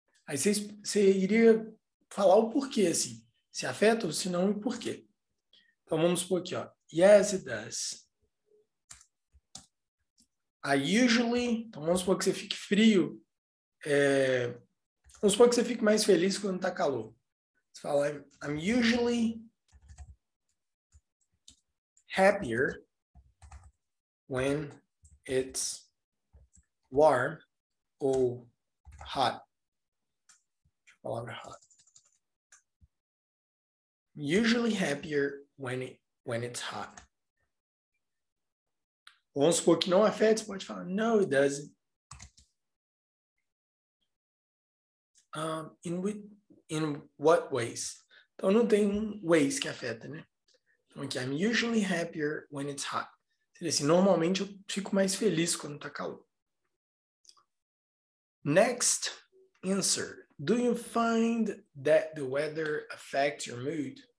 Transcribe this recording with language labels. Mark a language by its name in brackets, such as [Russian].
[Portuguese] Aí você iria falar o porquê, assim. Se afeta ou se não, e por quê? Então, vamos supor aqui, ó. [English] Yes, it does. I usually... [Portuguese] Então, vamos supor que você fique frio. Vamos supor que você fique mais feliz quando está calor. Você fala, [English] I'm usually happier when it's warm or hot. [Portuguese] A palavra hot. [English] Usually happier when it's hot. [Portuguese] Vamos supor que não afeta, você pode falar, [English] no, it doesn't. In what ways? [Portuguese] Então, não tem ways que afeta, né? Então, aqui, [English] I'm usually happier when it's hot. [Portuguese] Seria assim, normalmente eu fico mais feliz quando tá calor. [English] Next answer. Do you find that the weather affects your mood?